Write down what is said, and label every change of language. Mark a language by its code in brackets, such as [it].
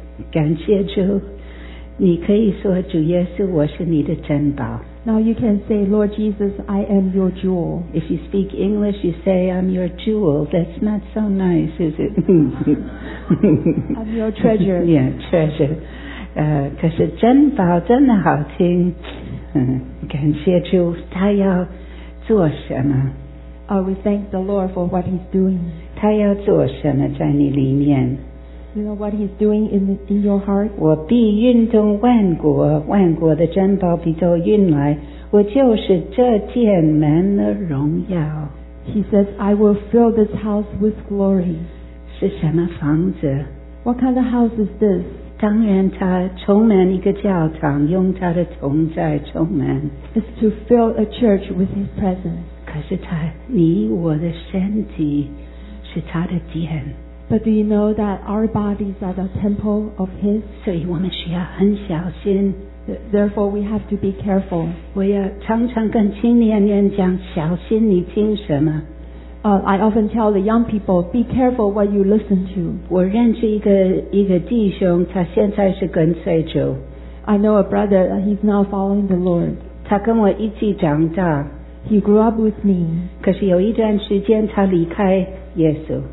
[zh] 感谢主，你可以说主耶稣，我是你的珍宝。 [en] Now you can say, Lord Jesus, I am your jewel. If you speak English, you say, I'm your jewel. That's not so nice, is it? I'm your treasure. Yeah, treasure. [zh] 可是珍宝真的好听。感谢主，他要做什么？ [en] We thank the Lord for what he's doing. [zh] 他要做什么在你里面？ [en] You know what he's doing in your heart? [zh] 我必运动万国，万国的珍宝必都运来，我就是这殿门的荣耀。 [en] He says, I will fill this house with glory. [zh] 是什么房子？ [en] What kind of house is this? [zh] 当然他充满一个教堂，用他的同在充满。 [en] It's to fill a church with his presence. [zh] 可是他，你我的身体是他的殿。 [en] But do you know that our bodies are the temple of His? [zh] 所以我们需要很小心。 [en] Therefore, we have to be careful. [zh] 我要常常跟青年人讲，小心你听什么。 [en] I often tell the young people, be careful what you listen to. [zh] 我认识一个弟兄，他现在是跟随主。 [en] I know a brother, he's now following the Lord. [zh] 他跟我一起长大。 [en] He grew up with me. [zh] 可是有一段时间他离开耶稣。